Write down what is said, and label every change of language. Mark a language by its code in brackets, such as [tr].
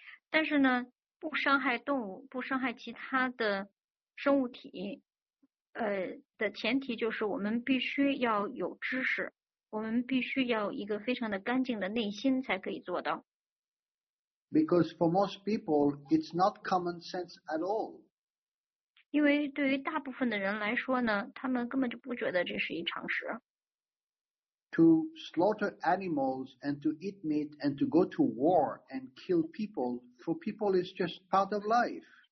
[zh] 但是呢，不伤害动物，不伤害其他的生物体。的前提就是我们必须要有知识，我们必须要一个非常的干净的内心才可以做到。 [en] Because for most people, it's not common sense at all. [zh] 因为对于大部分的人来说呢，他们根本就不觉得这是一常识。 [en] To slaughter animals and to eat meat and to go to war and kill people, for people is just part of life.